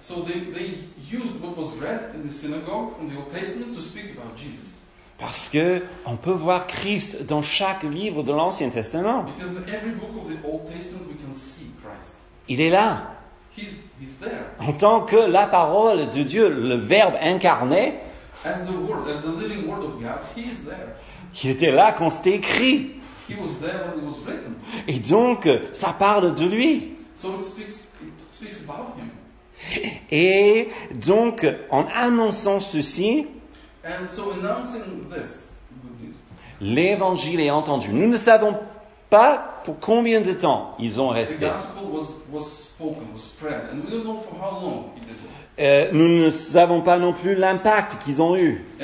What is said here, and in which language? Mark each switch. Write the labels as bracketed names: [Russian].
[English] So they used what was read in the synagogue from the Old Testament to speak about Jesus. [French] Parce que on peut voir Christ dans chaque livre de l'Ancien Testament. [English] Because in every book of the Old Testament we can see Christ. [French] Il est là. [English] He's there. [French] En tant que la parole de Dieu, le Verbe incarné. [English] As the word, as the living word of God, he is there. [French] Il était là quand c'était écrit. [English] He was there when it was written. [French] Et donc, ça parle de lui. [English] So it speaks about him. [French] Et donc, en annonçant ceci, [English] and so announcing this, good news. [French] L'évangile est entendu. Nous ne savons pas pour combien de temps ils ont resté. [English] The gospel was spoken, was spread, and we don't know for how long it did. [French] Nous ne savons pas non plus l'impact qu'ils ont eu.